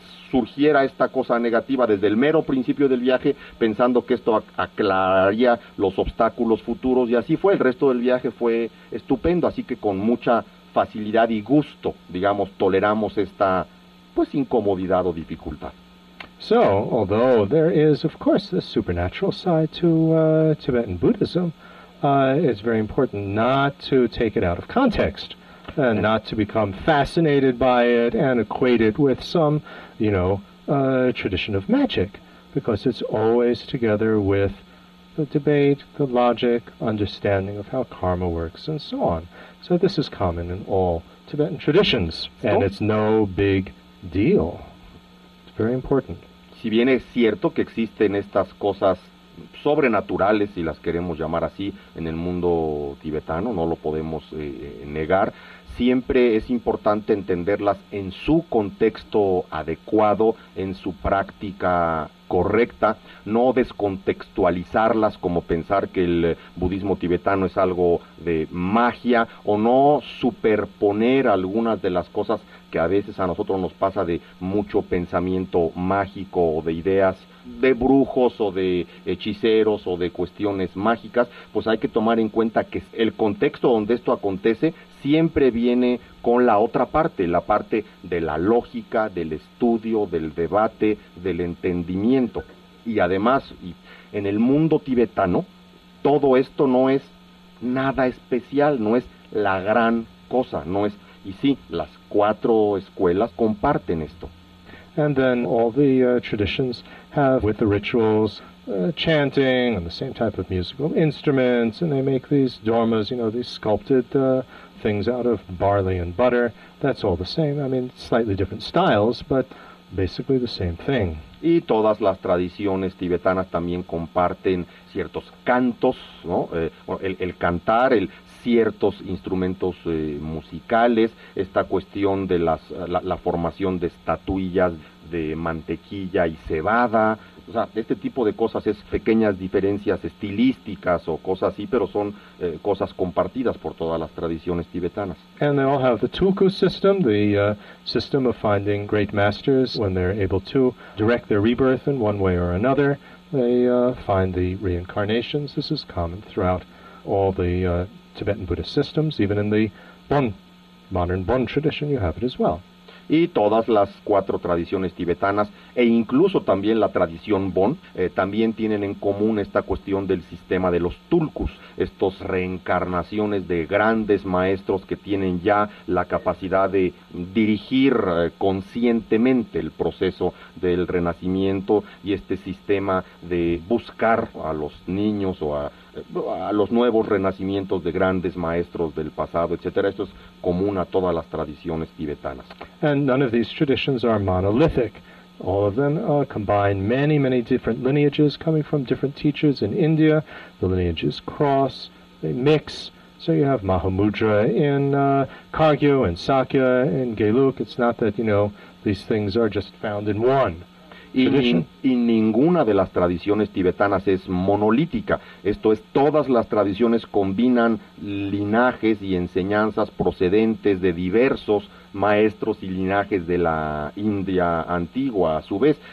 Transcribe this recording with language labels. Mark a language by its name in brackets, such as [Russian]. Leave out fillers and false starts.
[Spanish] surgiera esta cosa negativa desde el mero principio del viaje, pensando que esto aclararía los obstáculos futuros, y así fue. El resto del viaje fue estupendo, así que con mucha facilidad y gusto, digamos, toleramos esta, pues, incomodidad o dificultad. [English] So, although there is, of course, the supernatural side to Tibetan Buddhism, it's very important not to take it out of context, and not to become fascinated by it and equate it with some, tradition of magic, because it's always together with the debate, the logic, understanding of how karma works, and so on. So this is common in all Tibetan traditions, and it's no big deal. It's very important. [Spanish] Si bien es cierto que existen estas cosas sobrenaturales, si las queremos llamar así, en el mundo tibetano, no lo podemos negar, siempre es importante entenderlas en su contexto adecuado, en su práctica correcta, no descontextualizarlas como pensar que el budismo tibetano es algo de magia, o no superponer algunas de las cosas que a veces a nosotros nos pasa de mucho pensamiento mágico o de ideas de brujos o de hechiceros o de cuestiones mágicas. Pues hay que tomar en cuenta que el contexto donde esto acontece siempre viene con la otra parte, la parte de la lógica, del estudio, del debate, del entendimiento. Y además, en el mundo tibetano, todo esto no es nada especial, no es la gran cosa, no es. Y sí, las cuatro escuelas comparten esto. [English] And then all the traditions have, with the rituals, chanting and the same type of musical instruments, and they make these dharmas, these sculpted things out of barley and butter. That's all the same. I mean, slightly different styles, but basically the same thing. [Spanish] Y todas las tradiciones tibetanas también comparten ciertos cantos, ¿no? El cantar, el ciertos instrumentos musicales, esta cuestión de la formación de estatuillas de mantequilla y cebada. O sea, este tipo de cosas es pequeñas diferencias estilísticas o cosas así, pero son cosas compartidas por todas las tradiciones tibetanas. [English] And they all have the tulku system, the system of finding great masters when they're able to direct their rebirth in one way or another. They find the reincarnations. This is common throughout all the Tibetan Buddhist systems. Even in the modern Bon tradition, you have it as well. [Spanish] y todas las cuatro tradiciones tibetanas, e incluso también la tradición Bon, también tienen en común esta cuestión del sistema de los tulkus, estos reencarnaciones de grandes maestros que tienen ya la capacidad de dirigir conscientemente el proceso del renacimiento y este sistema de buscar a los niños o a los nuevos renacimientos de grandes maestros del pasado, etcétera. Esto es común a todas las tradiciones tibetanas. [English] And none of these traditions are monolithic. All of them combine many, many different lineages coming from different teachers in India. The lineages cross, they mix. So you have Mahamudra in Kagyu and Sakya in Geluk. It's not that, you know, these things are just found in one. [Spanish] Y ninguna de las tradiciones tibetanas es monolítica. Esto es, todas las tradiciones combinan linajes y enseñanzas procedentes de diversos maestros y linajes de la India antigua a su vez.